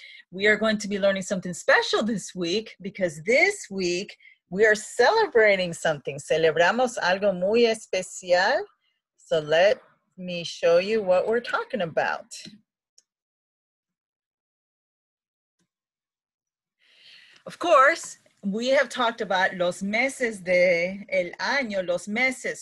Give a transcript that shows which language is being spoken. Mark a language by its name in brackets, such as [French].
[English] We are going to be learning something special this week because this week we are celebrating something. [Spanish] Celebramos algo muy especial. [English] So let me show you what we're talking about. Of course, we have talked about [Spanish] los meses de el año, los meses.